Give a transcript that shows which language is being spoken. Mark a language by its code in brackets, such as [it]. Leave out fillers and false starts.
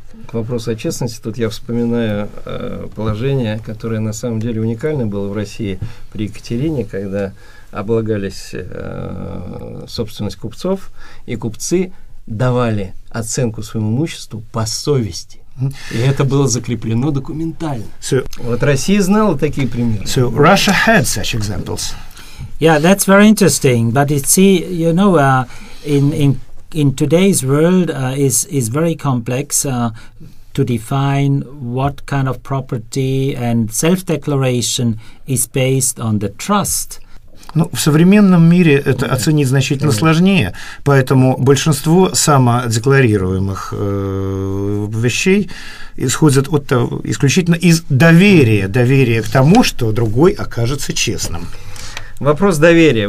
[ru] К вопросу о честности, тут я вспоминаю положение, которое на самом деле уникально было в России при Екатерине, когда облагались собственность купцов, и купцы давали оценку своему имуществу по совести. И это было закреплено документально. So, вот Россия знала такие примеры. [en] So Russia had such examples. Yeah, that's very interesting. But you know, in today's world is very complex to define what kind of property and self-declaration is based on the trust. [ru] Ну, в современном мире это оценить значительно сложнее, поэтому большинство самодекларируемых вещей исходят исключительно из доверия к тому, что другой окажется честным. Вопрос доверия.